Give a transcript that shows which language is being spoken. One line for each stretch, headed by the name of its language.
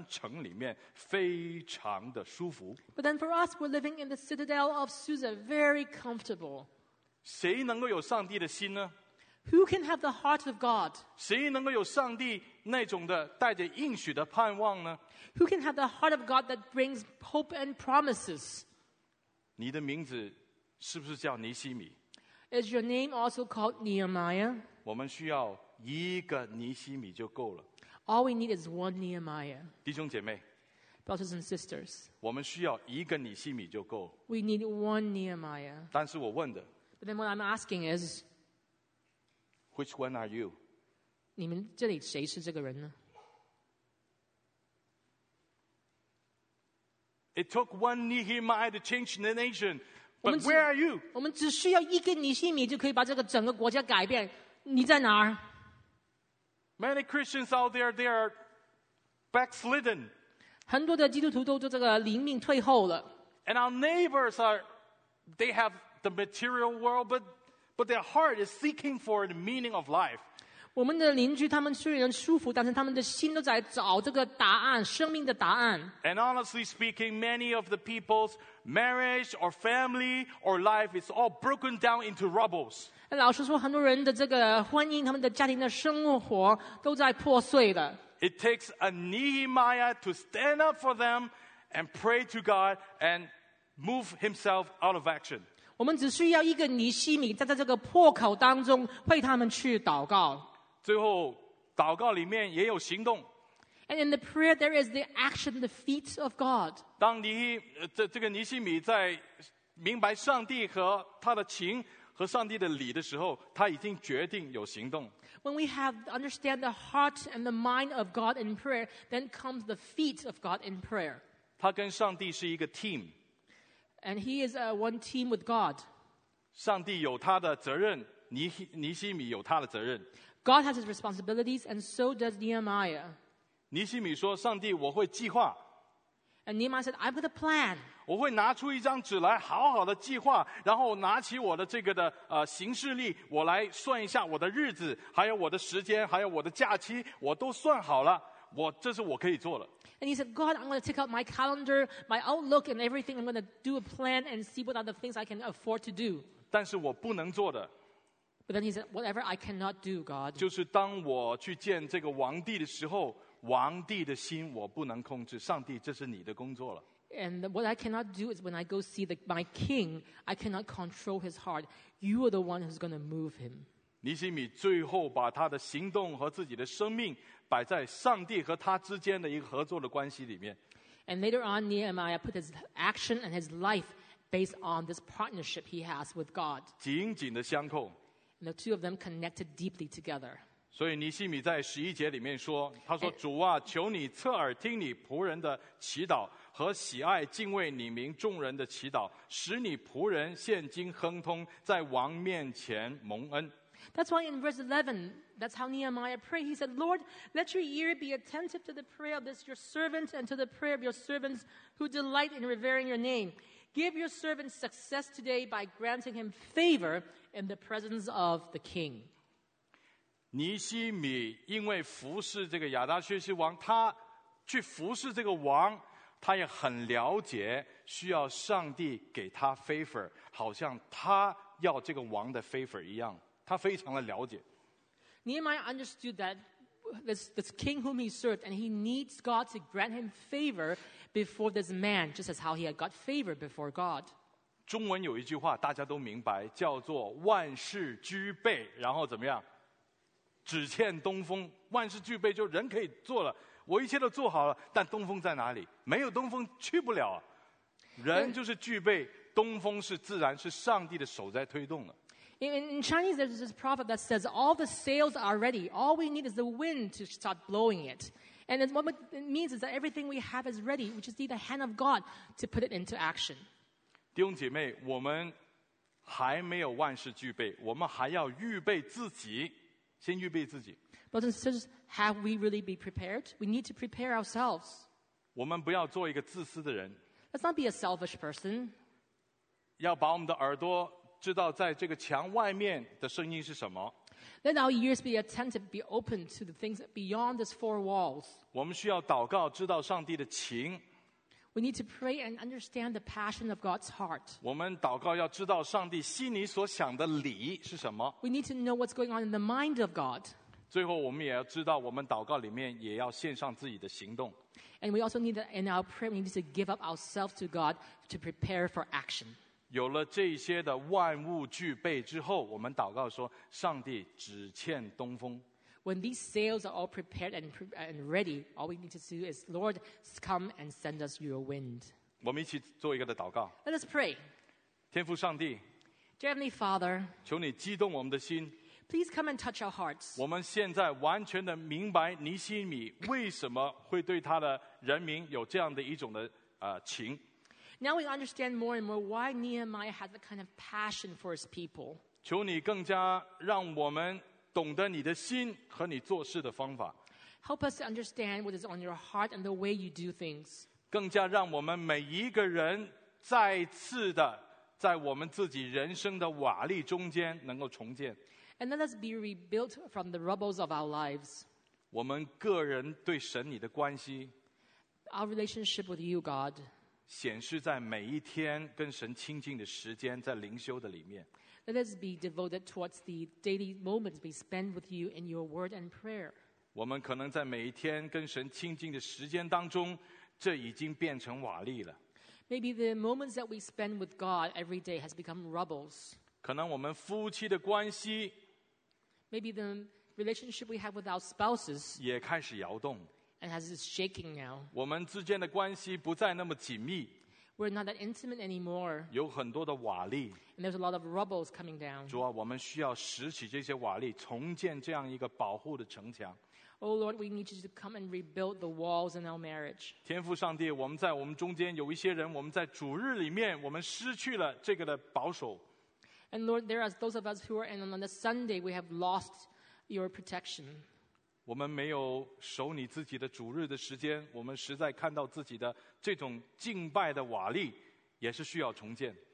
Chinese: 但是我们却住在苏珊城里面，非常的舒服。
English: But then for us, we're living in the citadel of Susa, very comfortable.
Chinese: 谁能够有上帝的心呢？
English: Who can have the heart of God?
Chinese: 谁能够有上帝那种的带着应许的盼望呢？
English: Who can have the heart of God that brings hope and promises?
Chinese: 你的名字 是不是叫尼希米?
English: Is your name also called Nehemiah?
Chinese: 我们需要一个尼希米就够了。
English: All we need is one Nehemiah.
Chinese: 弟兄姐妹,
English: brothers and sisters,
Chinese: 我们需要一个尼希米就够。
English: We need one Nehemiah.
Chinese: 但是我问的,
English: But then what I'm asking is, Which one are you?
Chinese: 你们这里谁是这个人呢？
English: It took one Nehemiah to change the nation. But where are you?
Chinese: 我们只需要一个尼希米就可以把这个整个国家改变。你在哪儿？
English: Many Christians out there, they are backslidden.
Chinese: 很多的基督徒都这个灵命退后了。
English: And our neighbors are, they have the material world, but their heart is seeking for the meaning of life.
Chinese: 我们的邻居他们虽然舒服，但是他们的心都在找这个答案，生命的答案。
English: And honestly speaking, many of the people's marriage or family or life is all broken down into rubbles.
Chinese: 老实说，很多人的这个婚姻，他们的家庭的生活都在破碎的。
English: It takes a Nehemiah to stand up for them and pray to God and move himself out of action.
Chinese: 我们只需要一个尼希米站在这个破口当中为他们去祷告。最后，祷告里面也有行动。
English: And in the prayer, there is the action, the feet of God.
Chinese: 当这个尼希米在明白上帝和他的情和上帝的理的时候，他已经决定有行动。
English: When we have understand the heart and the mind of God in prayer, then comes the feet of God in prayer.
Chinese: 他跟上帝是一个 team.
English: And he is one team with God.
Chinese: 上帝有他的责任，尼希米有他的责任。
English: God has his responsibilities, and so does Nehemiah.
Chinese: 尼希米说：“上帝，我会计划。”
English: And Nehemiah said, "I've got a plan."
Chinese: 我会拿出一张纸来，好好的计划，然后拿起我的这个的行事历，我来算一下我的日子，还有我的时间，还有我的假期，我都算好了。我这是我可以做的。
English: And he said, "God, I'm going to take out my calendar, my outlook, and everything. I'm going to do a plan and see what are the things I can afford to do."
Chinese: 但是我不能做的。
English: But then he said, "Whatever I cannot do, God."
Chinese: 就是当我去见这个王帝的时候，王帝的心我不能控制。上帝，这是你的工作了。
English: And what I cannot do is when I go see my king, I cannot control his heart. You are the one who's going to move him.
Chinese: 尼希米最后把他的行动和自己的生命摆在上帝和他之间的一个合作的关系里面。
English: And later on, Nehemiah put his action and his life based on this partnership he has with God.
Chinese: 紧紧的相扣。
English: And the two of them connected deeply together.
Chinese: 所以尼希米在十一节里面说，他说：“主啊，求你侧耳听你仆人的祈祷和喜爱敬畏你名众人的祈祷，使你仆人现今亨通，在王面前蒙恩。”
English: That's why in verse 11, that's how Nehemiah prayed. He said, "Lord, let your ear be attentive to the prayer of this your servant and to the prayer of your servants who delight in revering your name. Give your servant success today by granting him favor. In the presence of the king.
Chinese: 尼希米因为服侍这个亚达薛西王，他去服侍这个王，他也很了解需要上帝给他 favor， 好像他要这个王的 favor 一样，他非常的了解。
English: Nehemiah understood that this king whom he served, and he needs God to grant him favor before this man, just as how he had got favor before God.
Chinese: 中文有一句话大家都明白，叫做万事俱备，然后怎么样，只欠东风。万事俱备就人可以做了，我一切都做好了，但东风在哪里？没有东风去不了，人就是俱备，东风是自然，是上帝的手在推动的。
English: In Chinese there's this proverb that says all the sails are ready, all we need is the wind to start blowing it. And what it means is that everything we have is ready, we just need the hand of God to put it into action.
Chinese: 弟兄姐妹，我们还没有万事俱备，我们还要预备自己，先预备自己。
English: But since have we really been prepared? We need to prepare ourselves.
Chinese: 我们不要做一个自私的人。
English: Let's not be a selfish person.
Chinese: 要把我们的耳朵知道在这个墙外面的声音是什么。
English: Let our ears be attentive, be open to the things beyond these four walls.
Chinese: 我们需要祷告，知道上帝的情。
English: We need to pray and understand the passion of God's heart.
Chinese: 我们祷告要知道上帝心里所想的理是什么。
English: We need to know what's going on in the mind of God.
Chinese: 最后，我们也要知道，我们祷告里面也要献上自己的行动。
English: And we also need that in our prayer, we need to give up ourselves to God to prepare for action.
Chinese: 有了这些的万物俱备之后，我们祷告说：“上帝，只欠东风。”
English: When these sails are all prepared and ready, all we need to do is, Lord, come and send us your wind.
Chinese: 我们一起做一个的祷告。
English: Let us pray.
Chinese: 天父上帝。
English: Dear Heavenly Father.
Chinese: 求你激动我们的心。
English: Please come and touch our hearts.
Chinese: 我们现在完全的明白尼希米为什么会对他的人民有这样的一种的情。
English: Now we understand more and more why Nehemiah has a kind of passion for his people.
Chinese: 求你更加让我们懂得你的心和你做事的方法。
English: Help us to understand what is on your heart and the way you do things.
Chinese: 更加让我们每一个人再次的在我们自己人生的瓦砾中间能够重建。
English: And let us be rebuilt from the rubbles of our lives.
Chinese: 我们个人对神你的关系。
English: Our relationship with you, God.
Chinese: 显示在每一天跟神亲近的时间，在灵修的里面。
English: Let us be devoted towards the daily moments we spend with you in your word and prayer.
Chinese: 我们可能在每一天跟神亲近的时间当中，这已经变成瓦砾了。
English: Maybe the moments that we spend with God every day has become rubbles.
Chinese: 可能我们夫妻的关系
English: ，Maybe the relationship we have with our spouses
Chinese: 也开始摇动。
English: And has it shaking now?
Chinese: 我们之间的关系不再那么紧密。
English: We're not that intimate anymore.
Chinese: 有很多的瓦砾。
English: And there's a lot of rubbles coming down.
Chinese: 主啊，我们需要拾起这些瓦砾，重建这样一个保护的城墙。
English: Oh Lord, we need you to come and rebuild the walls in our marriage.
Chinese: 天父上帝，我们在我们中间有一些人，我们在主日里面，我们失去了这个的保守。
English: And Lord, there are those of us who are in on the Sunday, we have lost your protection.
Chinese: 我们没有守你自己的主日的时间，我们实在看到自己的这种敬拜的瓦砾，也是需要重建。